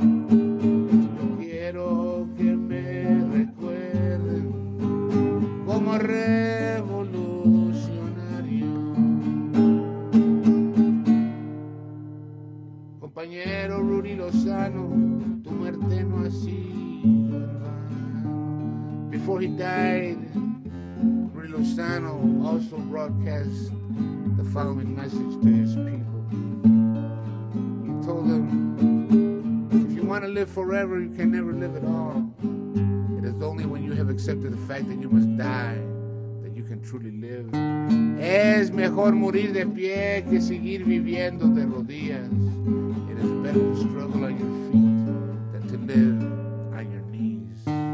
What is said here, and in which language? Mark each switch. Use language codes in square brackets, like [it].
[es] Yo quiero que me recuerden como revolucionario. Compañero Rudy Lozano, tu muerte no ha sido en vano. [en] Before he died, Rudy Lozano also broadcast the following message to his people. He told them, if you want to live forever, you can never live at all. It is only when you have accepted the fact that you must die that you can truly live. [es] Es mejor morir de pie que seguir viviendo de rodillas. [en] It is better to struggle on your feet than to live on your knees.